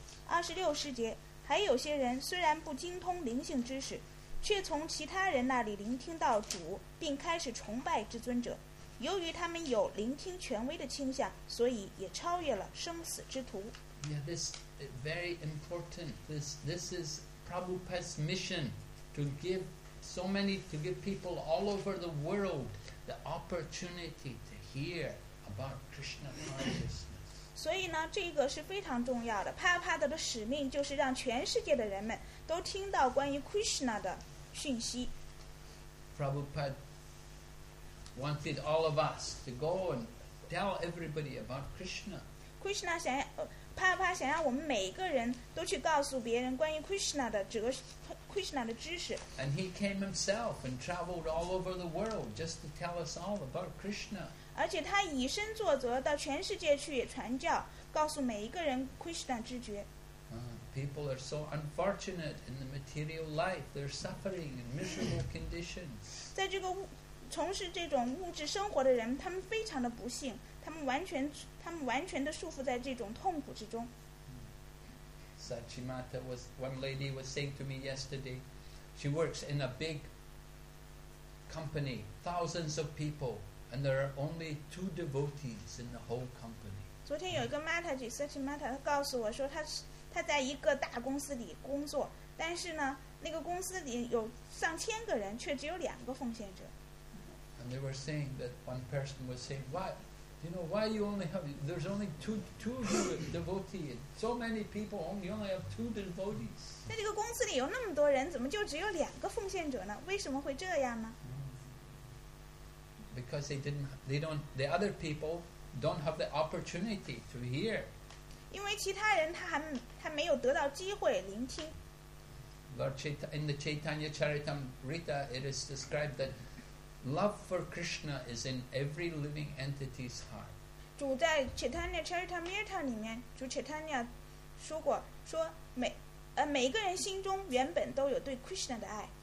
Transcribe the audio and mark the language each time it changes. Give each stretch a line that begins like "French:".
Chinese: 26节，还有些人虽然不精通灵性知识，却从其他人那里聆听到主，并开始崇拜至尊者。由于他们有聆听权威的倾向，所以也超越了生死之途。
English: Yeah, this is very important. This is Prabhupada's mission to give so many, to give people all over the world the opportunity to hear about Krishna consciousness.
Chinese: 所以呢，这个是非常重要的。 Prabhupada 的使命就是让全世界的人们都听到关于 Krishna 的讯息。
English: Prabhupada wanted all of us to go and tell everybody about Krishna.
Chinese: Krishna 想要Prabhupada 想要我们每个人都去告诉别人关于 Krishna 的哲 Krishna 的知识。
English: And he came himself and traveled all over the world just to tell us all about Krishna.
Chinese: 而且他以身作则到全世界去传教，告诉每一个人 Krishna 之觉。
English: People are so unfortunate in the material life; they're suffering in miserable conditions.
Chinese: 在这个从事这种物质生活的人，他们非常的不幸。他们完全的束缚在这种痛苦之中。
English: Sachimata was one lady was saying to me yesterday, she works in a big company, thousands of people, and there are only two devotees in the whole company.
Chinese: 昨天有一个 Mata 姐 ，Sachimata 告诉我说，她在一个大公司里工作，但是呢，那个公司里有上千个人，却只有两个奉献者。
English: And they were saying that one person was saying, what? You know why you only have? There's only two devotees. So many people, you only have two devotees.
Chinese: 在这个公司里有那么多人，怎么就只有两个奉献者呢？为什么会这样呢？
English: Because the other people don't have the opportunity to hear.
Chinese: 因为其他人他没有得到机会聆听。
English: In the Chaitanya Charitamrita, it is described that. Love for Krishna is in every living entity's heart.
Chinese: 主在 Chaitanya Charitamrita 里面，主 Chaitanya 说每个人心中原本都有对 Krishna 的爱。